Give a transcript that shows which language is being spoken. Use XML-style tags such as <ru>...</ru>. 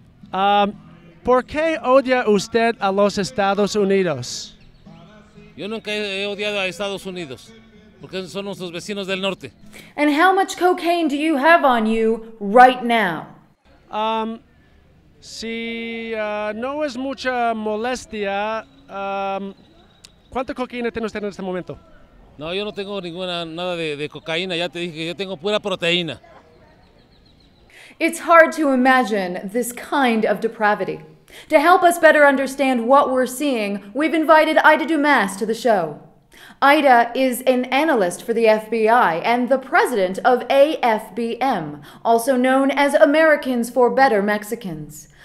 <es>¿Por qué odia usted a los Estados Unidos? Yo nunca he odiado a Estados Unidos, porque son nuestros vecinos del norte.</es> <en>And how much cocaine do you have on you right now?</en> <es>No es mucha molestia, ¿cuánta cocaína tiene usted en este momento? No, yo no tengo nada de cocaína, ya te dije que yo tengo pura proteína.</es> <en>It's hard to imagine this kind of depravity. To help us better understand what we're seeing, we've invited Ida Dumas to the show. Ida is an analyst for the FBI and the president of AFBM, also known as Americans for Better Mexicans.</en>